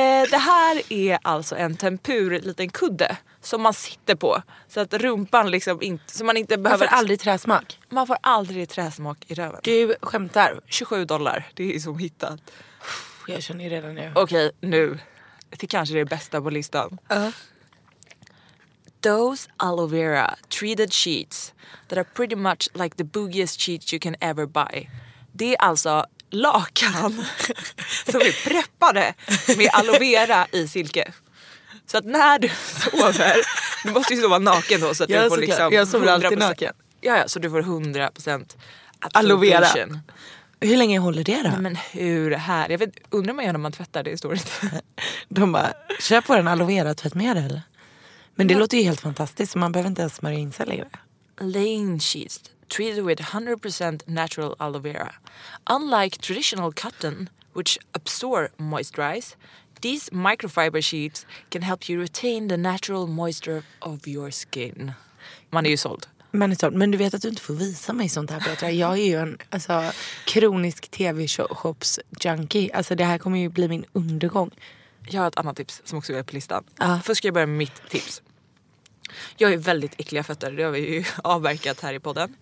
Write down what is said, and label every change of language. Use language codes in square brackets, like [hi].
[sv] Det här är alltså en tempur liten kudde som man sitter på så att rumpan liksom inte, så man inte behöver, man får aldrig träsmak. Man får aldrig träsmak i röven. Du skämtar. $27, det är som hittat. Jag känner ju redan nu. Okej, nu. Det kanske är det bästa på listan. [en] Those aloe vera treated sheets that are pretty much like the boogiest sheets you can ever buy. [sv] Det är alltså lakan som är preppade med aloe vera i silke. Så att när du sover, du måste ju sova naken då, så att jag du får liksom 100%. Jag sover alltid naken. Ja, så du får 100% aloe vera. Hur länge håller det då? Nej, men hur här? Jag vet, undrar man gör när man tvättar, det står inte. De bara, köp på en aloe vera tvättmedel. Men det låter ju helt fantastiskt, så man behöver inte ens smörja in sig längre. [en] Lane sheets treated with 100% natural aloe vera. Unlike traditional cotton, which absorb moisturize, these microfiber sheets can help you retain the natural moisture of your skin. [sv] Man är ju såld. Man är såld. Men du vet att du inte får visa mig sånt här, Petra. Jag är ju en alltså, kronisk tv-shops junkie. Alltså det här kommer ju bli min undergång. Jag har ett annat tips som också är på listan. Först ska jag börja med mitt tips. Jag har ju väldigt äckliga fötter, det har vi ju avverkat här i podden.